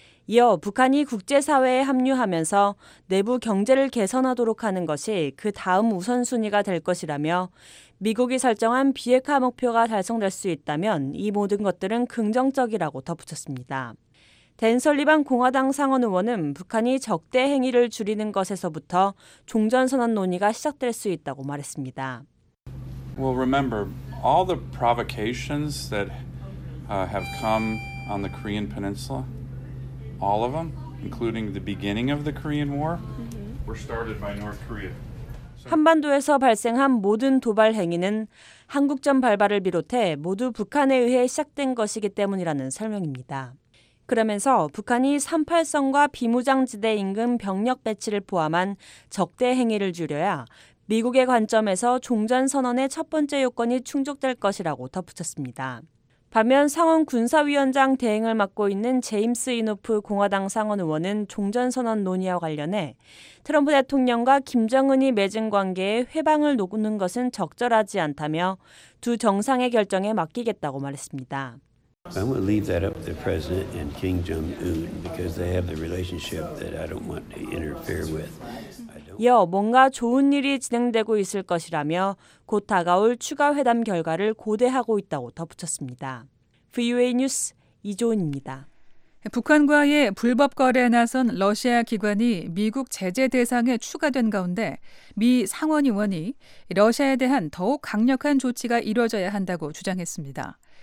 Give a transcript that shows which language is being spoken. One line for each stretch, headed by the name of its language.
Korean: 이어 북한이 국제사회에 합류하면서 내부 경제를 개선하도록 하는 것이 그 다음 우선순위가 될 것이라며 미국이 설정한 비핵화 목표가 달성될 수 있다면 이 모든 것들은 긍정적이라고 덧붙였습니다. 댄 설리반 공화당 상원 의원은 북한이 적대 행위를 줄이는 것에서부터 종전선언 논의가 시작될 수 있다고 말했습니다.
English: Well, remember, all the provocations that have come on the Korean Peninsula, all of them, including the beginning of the Korean War, were started by North Korea.
Korean: 한반도에서 발생한 모든 도발 행위는 한국전 발발을 비롯해 모두 북한에 의해 시작된 것이기 때문이라는 설명입니다. 그러면서 북한이 38선과 비무장지대 인근 병력 배치를 포함한 적대 행위를 줄여야 미국의 관점에서 종전선언의 첫 번째 요건이 충족될 것이라고 덧붙였습니다. 반면 상원 군사위원장 대행을 맡고 있는 제임스 이노프 공화당 상원 의원은 종전선언 논의와 관련해 트럼프 대통령과 김정은이 맺은 관계에 회방을 놓는 것은 적절하지 않다며 두 정상의 결정에 맡기겠다고 말했습니다.
English: I want to leave that up to the president and Kim Jong-un because they have the relationship that I don't want to interfere with.
Korean: 이어 뭔가 좋은 일이 진행되고 있을 것이라며 곧 다가올 추가 회담 결과를 고대하고 있다고 덧붙였습니다. VOA 뉴스 이조은입니다. 북한과의 불법 거래에 나선 러시아 기관이 미국 제재 대상에 추가된 가운데 미 상원 의원이 러시아에 대한 더욱 강력한 조치가 이뤄져야 한다고 주장했습니다.